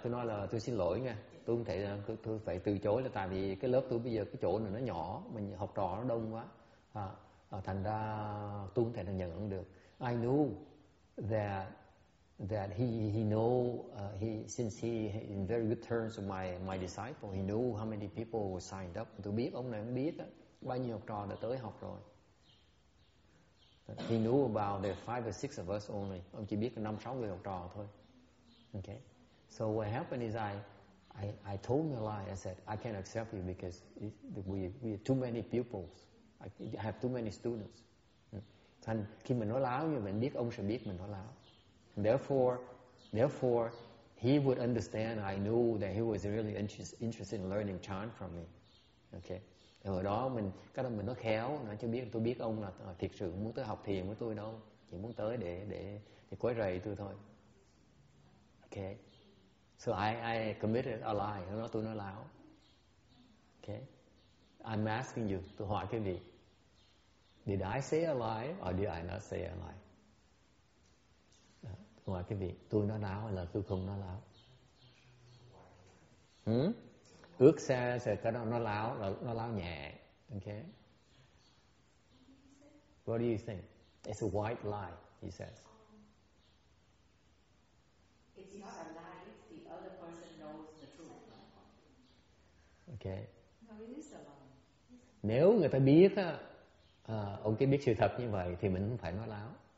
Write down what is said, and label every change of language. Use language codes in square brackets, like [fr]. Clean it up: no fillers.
[vi] Tôi nói là tôi xin lỗi nha. Tôi không thể, tôi phải từ chối là tại vì cái lớp tôi bây giờ cái chỗ này nó nhỏ, mình học trò nó đông quá. Thành ra tôi không thể nhận được. [en] I knew that he know he since he in very good terms with my disciple, he knew how many people were signed up. [vi] Tôi biết ông này, ông biết đó, bao nhiêu học trò đã tới học rồi. [en] He knew about the 5 or 6 of us only. [vi] Ông chỉ biết 5-6 người học trò thôi. [en] Okay. So what happened is I told him a lie. I said I can't accept you because we have too many pupils. I have too many students. [vi] Thành khi mình nói láo như vậy, biết ông sẽ biết mình nói láo. [en] Therefore, he would understand. I knew that he was really interested in learning Chan from me. Okay. [vi] Hồi đó mình cái đó mình nói khéo, nói cho biết tôi biết ông là thiệt sự muốn tới học thiền với tôi đâu, chỉ muốn tới để quấy rầy tôi thôi. [en] Okay. So I committed a lie. [vi] Hồi đó tôi nói láo. [en] Okay. I'm asking you. [vi] Tôi hỏi cái gì? [en] Did I say a lie or did I not say a lie? [vi] Ngoài cái việc tôi nói láo hay là tôi không nói láo. Ước xe sẽ cái đó nói láo là nói láo nhẹ. Okay. [en] What do you think? It's a white lie, he says. It's not a lie, the other person knows the truth. Okay. No, it is a lie. [vi] Nếu người ta biết á, ông kia biết sự thật như vậy thì mình không phải nói láo.